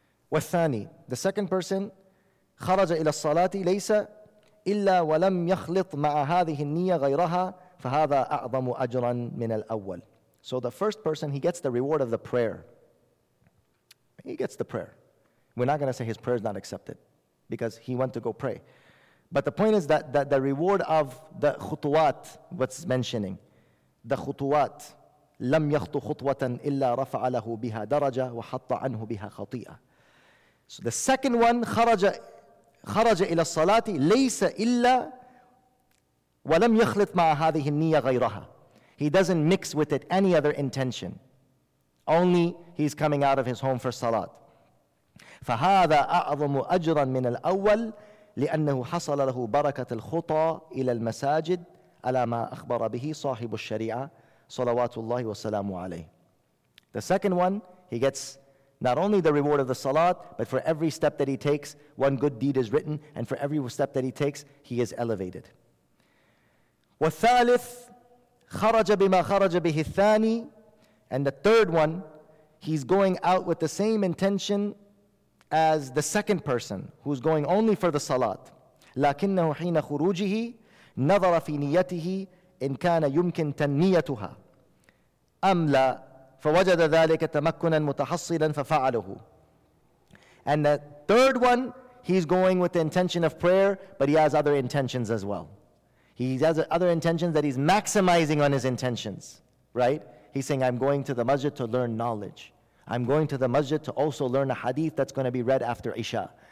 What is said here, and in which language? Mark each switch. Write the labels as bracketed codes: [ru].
[ar] والثاني, [en] the second person, [ar] خرج إلى الصلاة ليس إلا ولم يخلط مع هذه النية غيرها فهذا أعظم أجرا من الأول. [en] So the first person, he gets the reward of the prayer. He gets the prayer. We're not going to say his prayer is not accepted because he went to go pray. But the point is that the reward of the [ar] خطوات, [en] what's mentioning, the [ar] خطوات, لم يخطو خطوة إلا رفع له بها درجة وحط عنه بها خطيئة. So the second one, خرج إلى الصلاة ليس إلا ولم يخلط مع هذه النية غيرها. [en] He doesn't mix with it any other intention. Only he's coming out of his home for salat. [ar] فهذا أعظم أجرا من الأول لأنه حصل له بركة الخطى إلى المساجد على ما أخبر به صاحب الشريعة صلوات الله وسلامه عليه. [en] The second one, he gets not only the reward of the salat, but for every step that he takes, one good deed is written, and for every step that he takes, he is elevated. [ar] والثالث خرج بما خرج به الثاني, [en] and the third one, he's going out with the same intention as the second person, who's going only for the salat. [ar] لكنه حين خروجه نظر في نيته إن كان يمكن تنميتها أم لا. فوجد ذلك تمكنا متحصلا ففعله. [en] And the third one, he's going with the intention of prayer, but he has other intentions as well. He has other intentions that he's maximizing on his intentions, right? He's saying, I'm going to the masjid to learn knowledge. I'm going to the masjid to also learn a hadith that's going to be read after Isha.